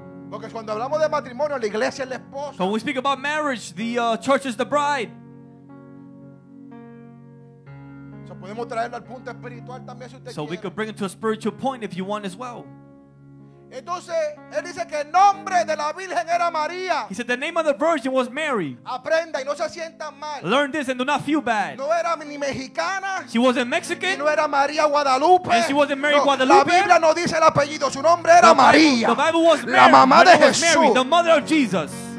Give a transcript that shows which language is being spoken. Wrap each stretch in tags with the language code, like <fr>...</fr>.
<es>Porque cuando hablamos de matrimonio, la iglesia es la esposa.</es> <en>When we speak about marriage, the church is the bride.</en> <es>So podemos traerlo al punto espiritual también si usted</es> <en>so</en> <es>quiere.</es> <en>We could bring it to a spiritual point if you want as well.</en> <es>Entonces él dice que el nombre de la virgen era María.</es> <en>He said the name of the virgin was Mary.</en> <es>Aprenda y no se sientan mal.</es> <en>Learn this and do not feel bad.</en> <es>No era ni mexicana.</es> <en>She wasn't Mexican.</en> <es>Y no era María Guadalupe.</es> <en>And she wasn't Mary Guadalupe.</en> <es>La Biblia no dice el apellido. Su nombre era María.</es> <en>The Bible was Mary.</en> <es>La mamá de Jesús.</es> <en>Mary, the mother of Jesus.</en>